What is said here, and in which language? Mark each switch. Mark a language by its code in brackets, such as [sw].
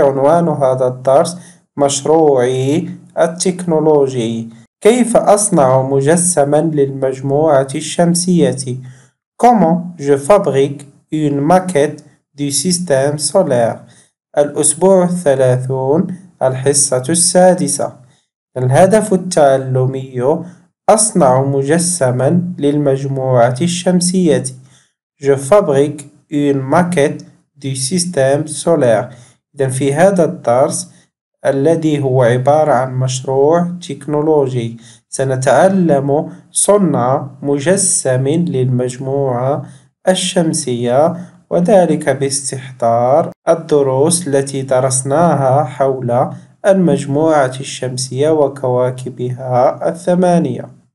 [ar] عنوان هذا الدرس مشروعي التكنولوجي، كيف أصنع مجسما للمجموعة الشمسية؟ [fr] Comment je fabrique une maquette du système solaire؟ [ar] الأسبوع 30، الحصة 6. الهدف التعلمي أصنع مجسما للمجموعة الشمسية. [fr] Je fabrique une maquette du système solaire. [ar] إذن في هذا الدرس الذي هو عبارة عن مشروع تكنولوجي سنتعلم صنع مجسم للمجموعة الشمسية، وذلك باستحضار الدروس التي درسناها حول المجموعة الشمسية وكواكبها الثمانية.